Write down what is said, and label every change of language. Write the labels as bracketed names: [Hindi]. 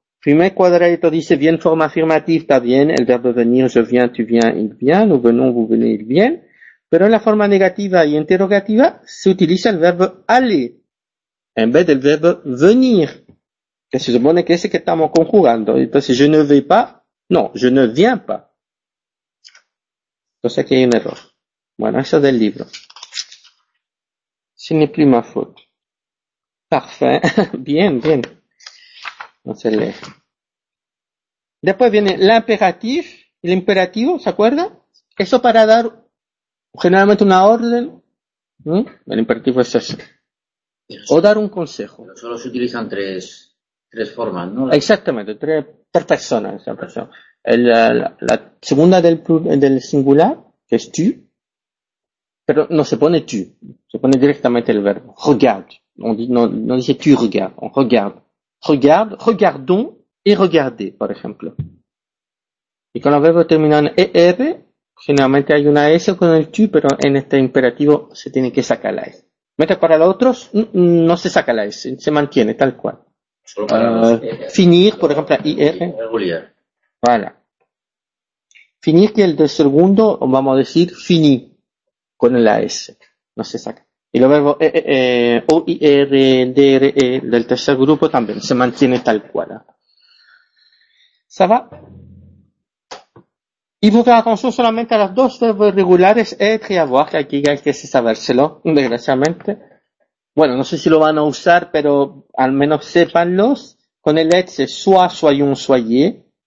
[Spanish] Primer cuadradito dice bien forma afirmativa, está bien, el verbo venir, [French] je viens, tu viens, il vient, [Spanish] nous venons, vous venez, il vient. Pero en la forma negativa y interrogativa se utiliza el verbo aller, en vez del verbo venir, que se supone que es el que estamos conjugando. [French] Entonces, je ne vais pas, no, je ne viens pas. [Spanish] Entonces aquí hay un error. Bueno, eso del libro. [French] Ce n'est plus ma faute. Parfait. [Spanish] Bien, bien. No se lee. Después viene el imperativo, ¿se acuerda? Eso para dar generalmente una orden. El imperativo es eso. O dar un consejo. Pero solo se utilizan tres formas, ¿no? Exactamente, tres personas. Esa persona. La segunda del singular, que es tu, pero no se pone tu, se pone directamente el verbo. Regarde. No dice [French] tu regarde, on regarde. Regarde, regardons et regardez, par exemple. Et quand le verbe termine en ER, généralement, il y a une S [Spanish] con el tu, pero en este imperativo se tiene que sacar la S. Mientras para los otros, no se saca la S, se mantiene tal cual. Solo para finir, por ejemplo, IR. Voilà. Finir, que el del segundo, vamos a decir, fini, con la S. No se saca. Y los verbos OIR, DRE del tercer grupo también se mantiene tal cual. ¿Se va? Y busca atención solamente a los dos verbos irregulares, être y avoir, que aquí hay que sabérselo, desgraciadamente. Bueno, no sé si lo van a usar, pero al menos sépanlos. Con el être, [French] soit, soyons, soyez.